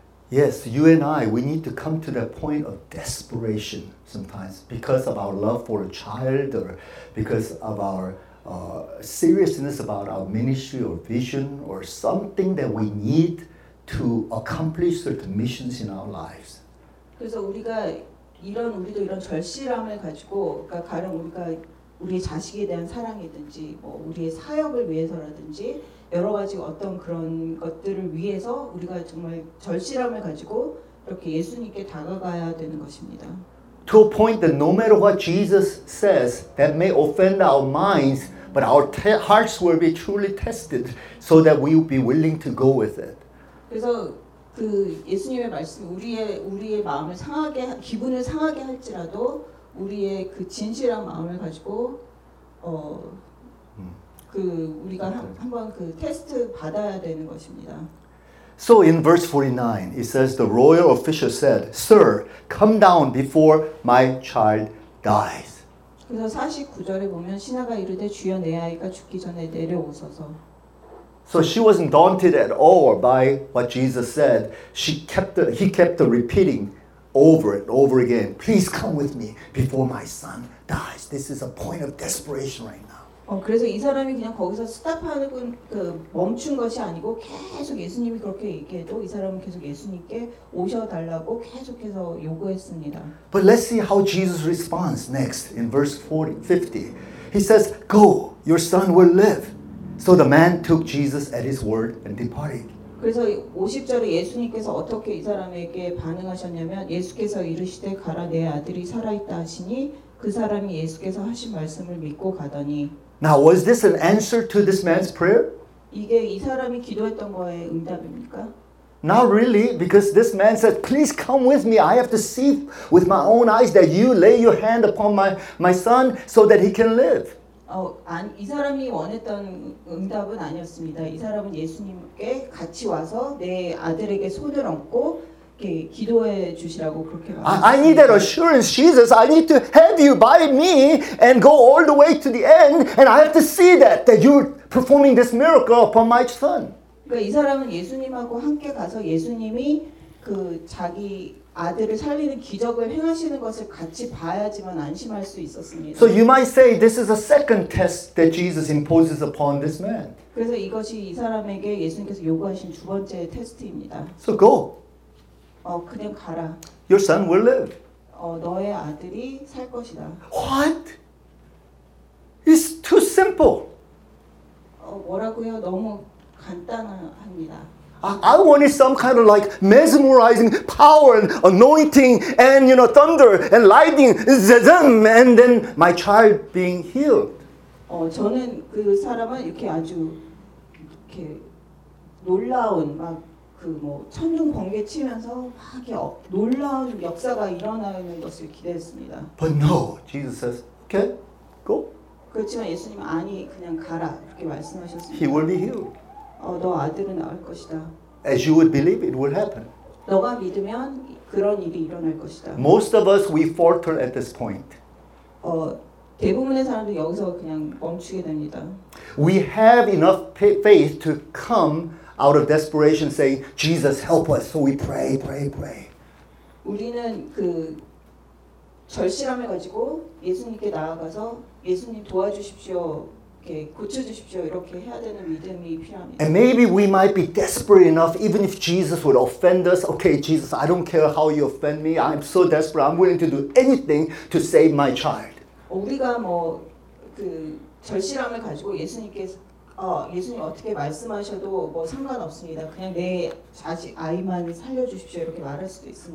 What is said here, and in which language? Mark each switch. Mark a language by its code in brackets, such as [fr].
[en] Yes, you and I, we need to come to that point of desperation sometimes because of our love for a child or because of our seriousness about our ministry or vision or something that we need to accomplish certain missions in our lives. [ko] 그래서 우리가 이런 우리도 이런 절실함을 가지고 그러니까 가령 우리가 우리 자식에 대한 사랑이든지 뭐 우리의 사역을 위해서라든지 여러 가지 어떤 그런 것들을 위해서 우리가 정말 절실함을 가지고 이렇게 예수님께 다가가야 되는 것입니다. [en] To a point that no matter what Jesus says that may offend our minds, but our hearts will be truly tested so that we will be willing to go with it. [ko] 그래서 그 예수님의 말씀 우리의 마음을 상하게 기분을 상하게 할지라도 우리의 그 진실한 마음을 가지고 그 우리가 한번 그 테스트 받아야 되는 것입니다. [en] So in verse 49 it says the royal official said, "Sir, come down before my child dies." [ko] 그래서 49절에 보면 신하가 이르되 주여 내 아이가 죽기 전에 내려오소서. [en] So she wasn't daunted at all by what Jesus said. He kept repeating over and over again, "Please come with me before my son dies." This is a point of desperation right now. [ko] 그래서 이 사람이 그냥 거기서 스탑하는 그 멈춘 것이 아니고 계속 예수님이 그렇게 얘기해도 이 사람은 계속 예수님께 오셔달라고 계속해서 요구했습니다. [en] But let's see how Jesus responds next in verse 50. He says, "Go, your son will live." So the man took Jesus at his word and departed. [ko] 그래서 50절에 예수님께서 어떻게 이 사람에게 반응하셨냐면 예수께서 이르시되 가라 내 아들이 살아있다 하시니 그 사람이 예수께서 하신 말씀을 믿고 가더니. [en] Now was this an answer to this man's prayer? [ko] 이게 이 사람이 기도했던 거에 응답입니까? [en] Not really, because this man said, "Please come with me. I have to see with my own eyes that you lay your hand upon my son so that he can live." [ko] 이 사람이 원했던 응답은 아니었습니다. 이 사람은 예수님께 같이 와서 내 아들에게 손을 얹고 이렇게 기도해 주시라고 그렇게 말했습니다. [en] I need that assurance, Jesus. I need to have you by me and go all the way to the end. And I have to see that you're performing this miracle upon my son. [ko] 그러니까 이 사람은 예수님하고 함께 가서 예수님이 그 자기 아들을 살리는 기적을 행하시는 것을 같이 봐야지만 안심할 수 있었습니다. [en] So you might say this is a second test that Jesus imposes upon this man. [ko] 그래서 이것이 이 사람에게 예수님께서 요구하신 두 번째 테스트입니다. [en] So go. [ko] 그냥 가라. [en] Your son will live. [ko] 너의 아들이 살 것이다. [en] What? It's too simple. [ko] 뭐라고요? 너무 간단합니다. [en] I wanted some kind of like mesmerizing power and anointing and you know thunder and lightning and then my child being healed. [ko] 저는 그 사람은 이렇게 아주 이렇게 놀라운 막 그 뭐 천둥 번개 치면서 막 놀라운 역사가 일어나는 것을 기대했습니다. [en] But no, Jesus says, okay, go. [ko] 그렇지만 예수님은 아니 그냥 가라 이렇게 말씀하셨습니다. [en] He will be healed. [ko] 너 아들은 나을 것이다. [en] As you would believe, it will happen. [ko] 너가 믿으면 그런 일이 일어날 것이다. [en] Most of us we falter at this point. [ko] 대부분의 사람들 여기서 그냥 멈추게 됩니다. [en] We have enough faith to come out of desperation, saying, "Jesus, help us." So we pray, pray, pray. [ko] 우리는 그 절실함을 가지고 예수님께 나아가서 예수님 도와주십시오. 고쳐주십시오. 이렇게 해야 되는 믿음이 필요합니다. [en] And maybe we might be desperate enough, even if Jesus would offend us. Okay, Jesus, I don't care how you offend me. I'm so desperate. I'm willing to do anything to save my child. [ko] 우리가 그 절실함을 가지고 예수님 어떻게 말씀하셔도 상관없습니다. 그냥 내 자식 아이만 살려주십시오. 이렇게 말할 수도 있습니다.